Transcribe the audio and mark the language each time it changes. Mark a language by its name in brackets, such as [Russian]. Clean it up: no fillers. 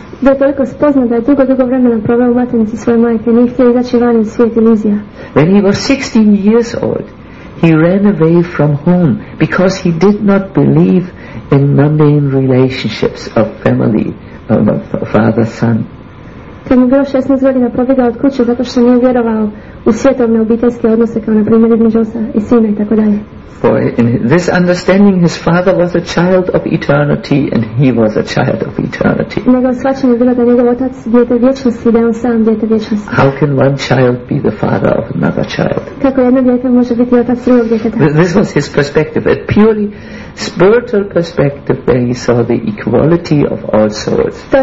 [Croatian] Da je toliko spoznan da je dugo, dugo vremena proveo u maternici svoje majke, nije htio izaći van u svijet iluzija. [English] When he was 16 years old, he ran away from home because he did not believe in mundane relationships of family, father, son. [Croatian] Kad mu bilo 16 godina, pobjegao od kuće zato što nije vjerovao u svjetovne obiteljske odnose, kao na primjer između oca i sina itd. [English] For in this understanding, his father was a child of eternity and he was a child of eternity. How can one child be the father of another child? This was his perspective, a purely spiritual perspective, where he saw the equality of all souls.